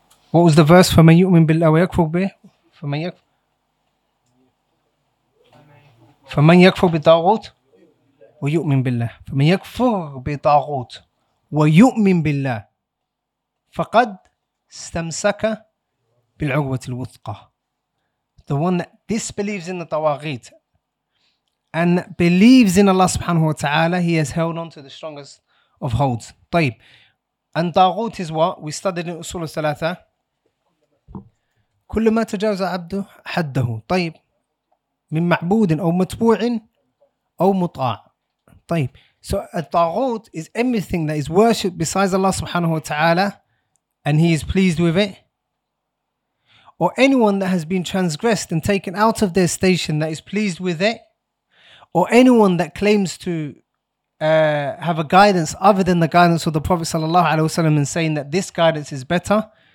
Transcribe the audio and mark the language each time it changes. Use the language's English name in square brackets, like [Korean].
[English] What was the verse? [Arabic] فَمَنْ يُؤْمِنْ بِاللَّهِ وَيَكْفُرْ بِهِ فَمَنْ يَكْفُرْ بِالطَّاغُوتِ وَيُؤْمِنْ بِاللَّهِ فَمَنْ يَكْفُرْ بِالطَّاغُوتِ وَيُؤْمِنْ بِاللَّهِ فَقَدْ اسْتَمْسَكَ بِالْعُرْوَةِ الْوُثْقَى. [English] The one that disbelieves in the tawaghit and believes in Allah subhanahu wa ta'ala, he has held on to the strongest of holds. [Arabic] طيب. [English] And taghut is what we studied in Usul al-Thalatha. [Arabic] كل ما تجاوز عبده حده. طيب. من معبود أو متبوع أو مطاع. طيب. [English] So a taghut is anything that is worshipped besides Allah subhanahu wa ta'ala and he is pleased with it. Or anyone that has been transgressed and taken out of their station that is pleased with it. Or anyone that claims to have a guidance other than the guidance of the Prophet sallallahu alaihi wasallam and saying that this guidance is better.